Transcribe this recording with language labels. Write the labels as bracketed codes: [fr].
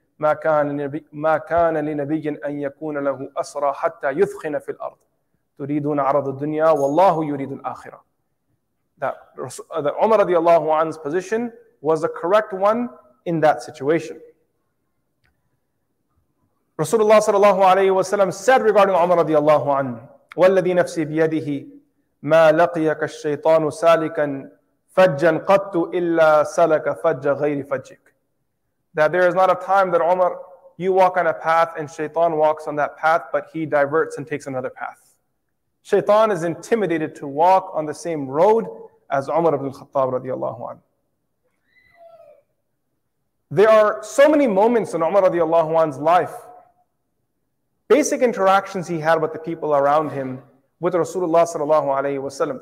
[ar] مَا كَانَ لِنَبِيٍ أَن يَكُونَ لَهُ أَسْرَى حَتَّى يُثْخِنَ فِي الْأَرْضِ تُرِيدُونَ عَرَضُ الدُّنْيَا وَاللَّهُ يُرِيدُ الْآخِرَةِ. [en] That Umar radiallahu anhu's position was the correct one in that situation. Rasulullah sallallahu alayhi wa sallam said regarding Umar radiallahu anhu, [ar] وَالَّذِي نَفْسِي بِيَدِهِ مَا لَقِيَكَ الشَّيْطَانُ سَالِكًا فَجًّا قَتُّ إِلَّا سَلَكَ فَجَّ غَيْرِ فَجِّكَ. [en] That there is not a time that Umar, you walk on a path and Shaitan walks on that path, but he diverts and takes another path. Shaitan is intimidated to walk on the same road as Umar ibn al-Khattab radiallahu anhu. There are so many moments in Umar radiallahu anhu's life, basic interactions he had with the people around him, with Rasulullah sallallahu alayhi wa sallam.